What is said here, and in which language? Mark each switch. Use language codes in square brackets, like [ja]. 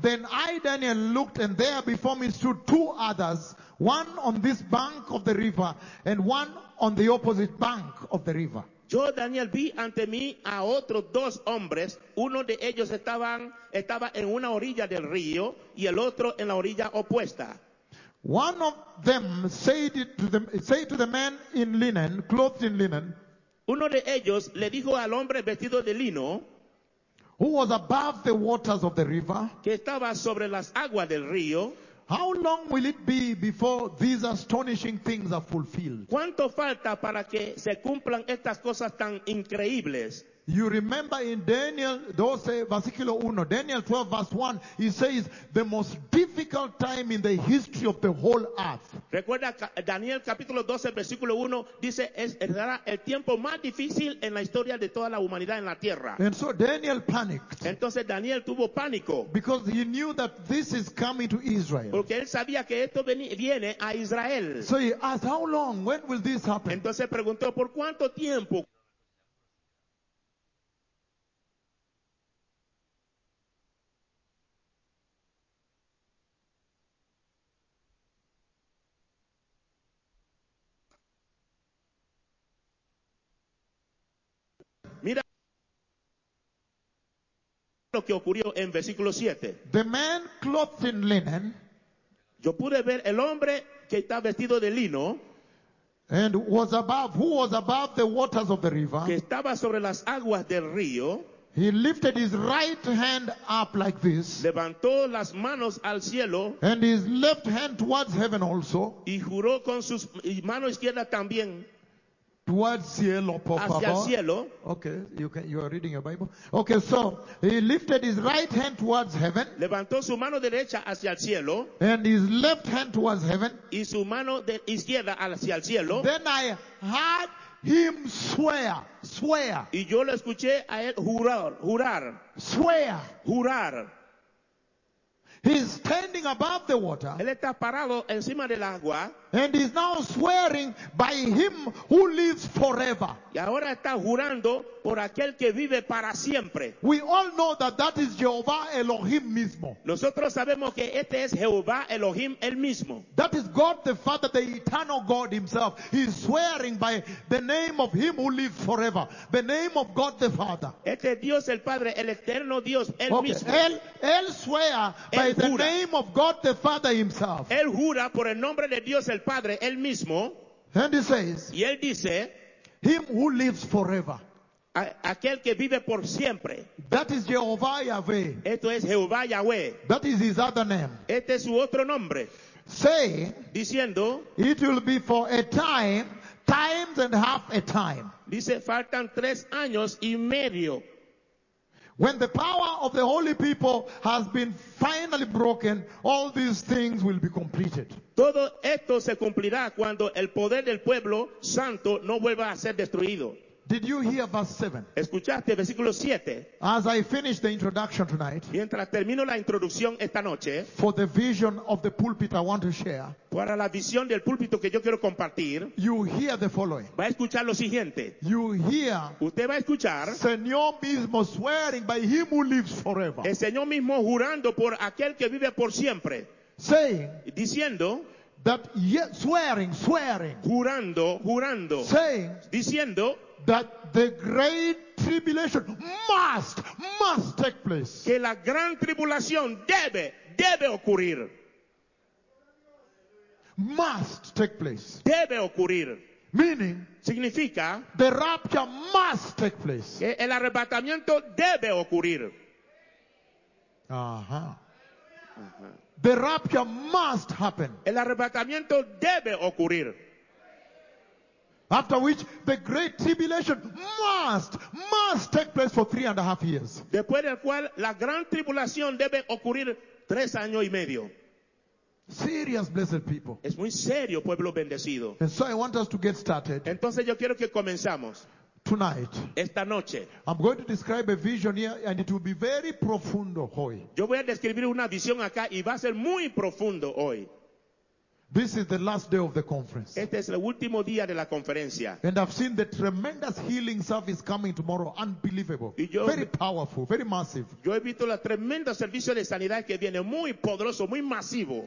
[en] Then I, Daniel, looked, and there before me stood two others, one on this bank of the river, and one on the opposite bank of the river. [es] Yo, Daniel, vi ante mí a otros dos hombres. Uno de ellos estaba en una orilla del río, y el otro en la orilla opuesta. [en] One of them said to the man in linen, clothed in linen. [es] Uno de ellos le dijo al hombre vestido de lino, [en] who was above the waters of the river, [es] que estaba sobre las aguas del río, [en] how long will it be before these astonishing things are fulfilled? [es] ¿Cuánto falta para que se cumplan estas cosas tan increíbles? [en] You remember in Daniel 12, versículo 1, Daniel 12, verse 1, he says, the most difficult time in the history of the whole earth. [es] Recuerda, Daniel capítulo 12, versículo 1, dice, será el tiempo más difícil en la historia de toda la humanidad en la tierra. [en] And so Daniel panicked. [es] Entonces Daniel tuvo pánico. [en] Because he knew that this is coming to Israel. [es] Porque él sabía que esto viene a Israel. [en] So he asked, how long, when will this happen? [es] Entonces preguntó, ¿por cuánto tiempo? Mira lo que ocurrió en versículo 7. [en] The man clothed in linen. [es] Yo pude ver el hombre que está vestido de lino. [en] And was above, who was above the waters of the river. [es] Que estaba sobre las aguas del río. [en] He lifted his right hand up like this. [es] Levantó las manos al cielo. [en] And his left hand towards heaven also. [es] Y juró con su mano izquierda también. [en] Towards [es] cielo, por favor. Hacia cielo. [en] Okay, you are reading your Bible. Okay, so he lifted his right hand towards heaven. [es] Levantó su mano derecha hacia el cielo. [en] And his left hand towards heaven. [es] Y su mano de izquierda hacia el cielo. [en] Then I heard him swear. [es] Y yo lo escuché a él jurar. [en] Swear. [es] Jurar. [en] He's standing above the water. [es] Él está parado encima del agua. [en] And he's now swearing by him who lives forever. [es] Y ahora está jurando por aquel que vive para siempre. [en] We all know that is Jehovah Elohim mismo. [es] Nosotros sabemos que este es Jehová Elohim el mismo. [en] That is God the Father, the eternal God himself. He's swearing by the name of him who lives forever. The name of God the Father. [es] Este es Dios el Padre, el eterno Dios, el okay. mismo. Él swear él [en] by [es] jura. [en] The name of God the Father himself. [es] Él jura por el nombre de Dios el Padre, él mismo. [en] And he says, [es] y él dice, [en] him who lives forever. [es] Aquel que vive por siempre. [en] That is Jehovah Yahweh. [es] Esto es Jehová Yahweh. [en] That is his other name. [es] Este es su otro nombre. [en] Say, [es] diciendo, [en] it will be for a time, times and half a time. [es] Dice, faltan 3 años y medio. [en] When the power of the holy people has been finally broken, all these things will be completed. [es] Todo esto se cumplirá cuando el poder del pueblo santo no vuelva a ser destruido. [en] Did you hear verse 7? [es] ¿Escuchaste versículo 7? [en] As I finish the introduction tonight, [es] mientras termino la introducción esta noche, [en] for the vision of the pulpit I want to share, [es] para la visión del púlpito que yo quiero compartir, [en] you hear the following. [es] Va a escuchar lo siguiente. [en] You hear, [es] usted va a escuchar, Señor mismo [en] swearing by him who lives forever. [es] El Señor mismo jurando por aquel que vive por siempre. [en] Saying, [es] diciendo, [en] That yet swearing, [es] jurando, [en] saying, [es] diciendo, [en] that the great tribulation must take place. [es] Que la gran tribulación debe ocurrir. [en] Must take place. [es] Debe ocurrir. [en] Meaning, [es] significa, [en] the rapture must take place. [es] Que el arrebatamiento debe ocurrir. [en] Aha. The rapture must happen. [es] El arrebatamiento debe ocurrir. [en] After which the great tribulation must take place for 3.5 years. [es] Después del cual la gran tribulación debe ocurrir 3 años y medio. [en] Serious blessed people. [es] Es muy serio, pueblo bendecido. [en] And so I want us to get started. [es] Entonces yo quiero que comenzamos. [en] Tonight. [es] Esta noche. [en] I'm going to describe a vision here and it will be very [es] profundo hoy. Yo voy a describir una visión acá y va a ser muy profundo hoy. [en] This is the last day of the conference. [es] Este es el último día de la conferencia. [en] And I've seen the tremendous healing service coming tomorrow. Unbelievable. [es] Y yo, [en] very powerful, very massive. [es] Yo he visto la tremenda servicio de sanidad que viene muy poderoso, muy masivo.